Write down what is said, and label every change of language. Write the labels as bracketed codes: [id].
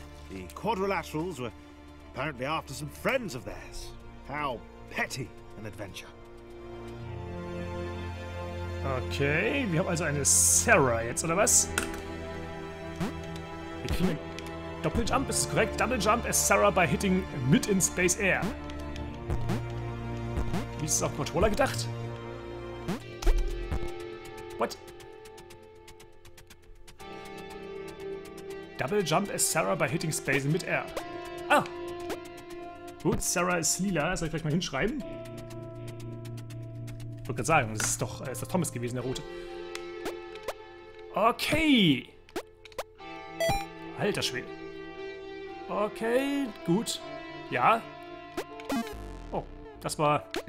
[en] The quadrilaterals were apparently after some friends of theirs. How petty an adventure. [de] Okay, wir haben also eine Sarah jetzt, oder was? Wir kriegen einen Doppeljump, ist es korrekt? [en] Double Jump as Sarah by hitting mid in space air. [de] Wie ist es auf Controller gedacht? [en] What? Double Jump as Sarah by hitting space in mid air. Ah! [de] Gut, Sarah ist lila, soll ich vielleicht mal hinschreiben? Ich wollte gerade sagen, es ist doch Thomas gewesen, der Rote. Okay. Alter Schwede. Okay, gut. Ja. Oh, das war...